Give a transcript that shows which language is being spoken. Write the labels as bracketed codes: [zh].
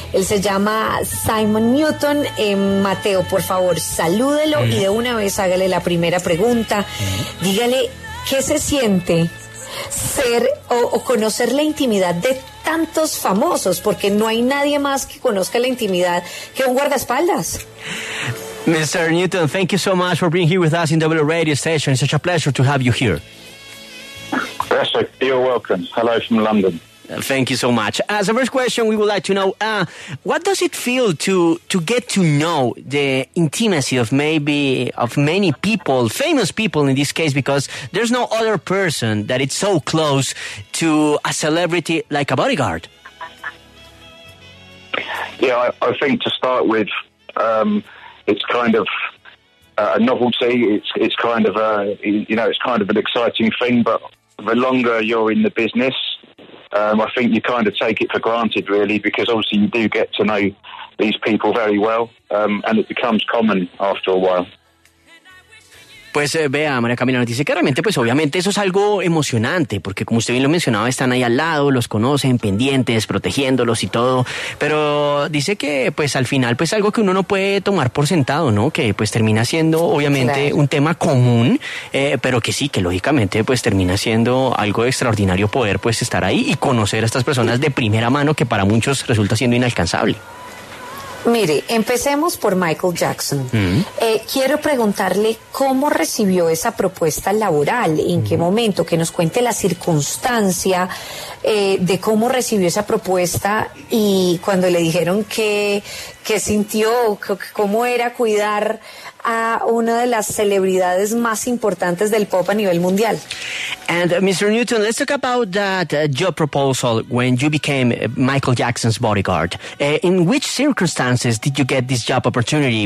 [es] Él se llama Simon Newton. Mateo, por favor, salúdelo y de una vez hágale la primera pregunta. Dígale, ¿qué se siente ser o conocer la intimidad de tantos famosos? Porque no hay nadie más que conozca la intimidad que un guardaespaldas. [en] Mr. Newton, thank you so much for being here with us in W Radio Station. It's such a pleasure to have you here. You're welcome. Hello from London. Thank you so much. As a first question, we would like to know, what does it feel to get to know the intimacy of maybe of many people, famous people in this case, because there's no other person that is so close to a celebrity like a bodyguard? Yeah, I think to start with, it's kind of a novelty. It's kind of a, you know, it's kind of an exciting thing, but the longer you're in the business, I think you kind of take it for granted, really, because obviously you do get to know these people very well, and it becomes common after a while. [es] Pues vea, María Camila nos dice que realmente, pues obviamente eso es algo emocionante, porque como usted bien lo mencionaba, están ahí al lado, los conocen, pendientes, protegiéndolos y todo, pero dice que pues al final pues algo que uno no puede tomar por sentado, ¿no? Que pues termina siendo obviamente un tema común, pero que sí, que lógicamente pues termina siendo algo extraordinario poder pues estar ahí y conocer a estas personas de primera mano, que para muchos resulta siendo inalcanzable. Mire, empecemos por Michael Jackson. Quiero preguntarle cómo recibió esa propuesta laboral, en qué momento, que nos cuente la circunstancia de cómo recibió esa propuesta y cuando le dijeron que sintió, cómo era cuidar a una de las celebridades más importantes del pop a nivel mundial. [en] And Mr. Newton, let's talk about that job proposal when you became Michael Jackson's bodyguard. In which circumstances did you get this job opportunity?